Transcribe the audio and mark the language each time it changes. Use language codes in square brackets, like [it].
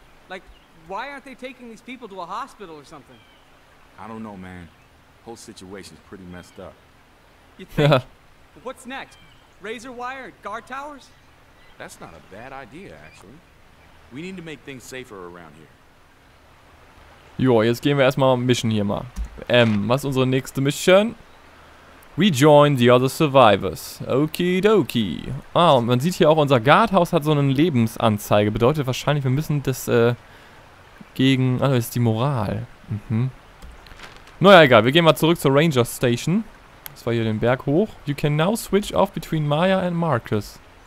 [en] Like, why aren't they taking these people to a hospital or something? I don't know, man. Whole situation's pretty messed up. You think? What's next? Razor wire? Guard towers? That's not a bad idea, actually. We need to make things safer around here. [de] Jo, jetzt gehen wir erstmal Mission hier mal. Was ist unsere nächste Mission? [en] Rejoin the other survivors. [de] Okidoki. Ah, und man sieht hier auch, unser Guardhaus hat so eine Lebensanzeige. Bedeutet wahrscheinlich, wir müssen das gegen... Ah, das ist die Moral. Mhm. Naja, egal. Wir gehen mal zurück zur Ranger Station. Das war hier den Berg hoch. [en] You can now switch off between Maya and Marcus.